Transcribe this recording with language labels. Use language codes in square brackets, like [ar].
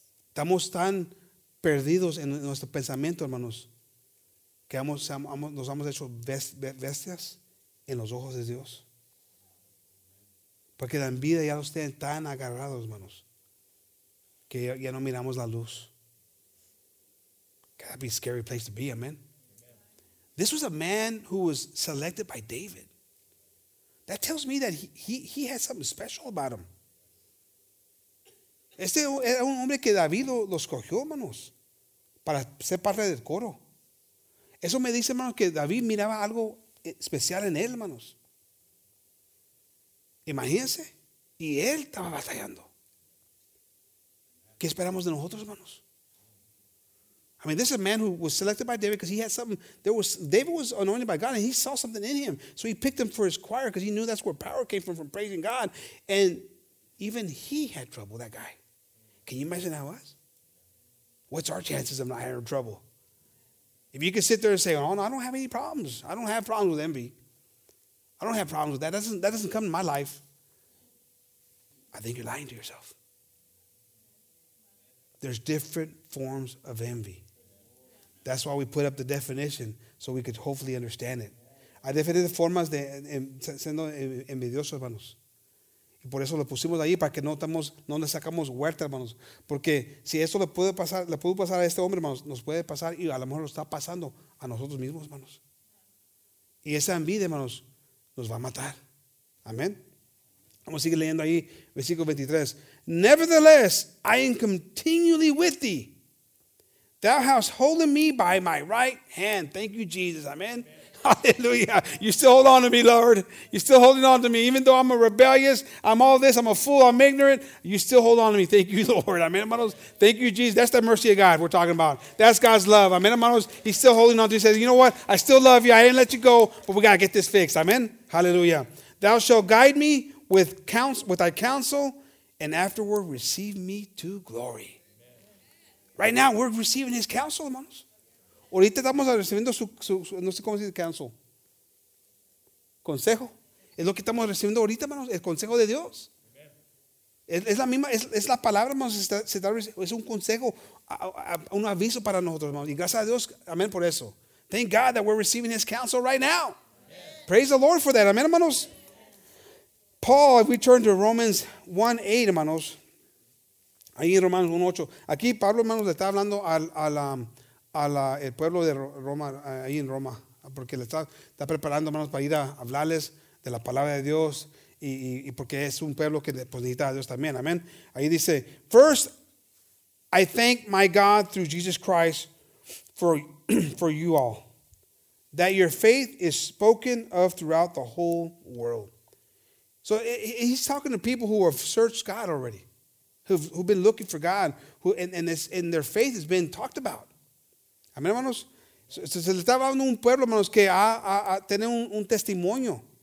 [es] Estamos tan perdidos en nuestro pensamiento, hermanos, que nos hemos hecho bestias en los ojos de Dios. Porque la envidia ya los tiene tan agarrados, hermanos, que ya no miramos la luz. [en] God, that'd be a scary place to be, amen. This was a man who was selected by David. That tells me that he had something special about him. [es] Este era un hombre que David lo escogió, hermanos, para ser parte del coro. Eso me dice, hermanos, que David miraba algo especial en él, hermanos. Imagínense, y él estaba batallando. ¿Qué esperamos de nosotros, hermanos? [en] I mean, this is a man who was selected by David because he had something. David was anointed by God, and he saw something in him. So he picked him for his choir because he knew that's where power came from praising God. And even he had trouble, that guy. Can you imagine how it was? What's our chances of not having trouble? If you could sit there and say, oh, no, I don't have any problems. I don't have problems with envy. I don't have problems with that. That doesn't come in my life. I think you're lying to yourself. There's different forms of envy. That's why we put up the definition so we could hopefully understand it. [es] Hay diferentes formas de siendo envidiosos, hermanos. Y por eso lo pusimos ahí para que no le sacamos huerta, hermanos. Porque si esto le puede pasar a este hombre, hermanos, nos puede pasar y a lo mejor lo está pasando a nosotros mismos, hermanos. Y esa envidia, hermanos, nos va a matar. Amén. Vamos a seguir leyendo ahí, versículo 23. [en] Nevertheless, I am continually with thee. Thou hast holden me by my right hand. Thank you, Jesus. Amen. Amen. Hallelujah. You still hold on to me, Lord. You're still holding on to me. Even though I'm a rebellious, I'm all this, I'm a fool, I'm ignorant, you still hold on to me. Thank you, Lord. Amen, hermanos. Thank you, Jesus. That's the mercy of God we're talking about. That's God's love. Amen, hermanos. He's still holding on to you. He says, you know what? I still love you. I ain't let you go, but we got to get this fixed. Amen. Hallelujah. Thou shalt guide me with thy counsel, and afterward receive me to glory. Right now, we're receiving his counsel, hermanos. [es] Ahorita estamos recibiendo su no sé cómo se dice counsel. Consejo. Es lo que estamos recibiendo ahorita, hermanos, el consejo de Dios. Es la palabra, hermanos, es un consejo, un aviso para nosotros, hermanos. Y gracias a Dios, amén, por eso. [en] Thank God that we're receiving his counsel right now. Amen. Praise the Lord for that, amén, hermanos. Paul, if we turn to Romans 1:8, hermanos. [es] Ahí en Romanos 1:8. Aquí Pablo, hermanos, le está hablando al pueblo de Roma, ahí en Roma, porque le está preparando, hermanos, para ir a hablarles de la palabra de Dios y porque es un pueblo que pues, necesita a Dios también. Amén. Ahí dice, [en] first, I thank my God through Jesus Christ for you all, that your faith is spoken of throughout the whole world. So he's talking to people who have searched God already. Who've been looking for God, and their faith has been talked about. [es] Amén, hermanos. Se le estaba hablando a un pueblo, hermanos, que ha tenido un testimonio.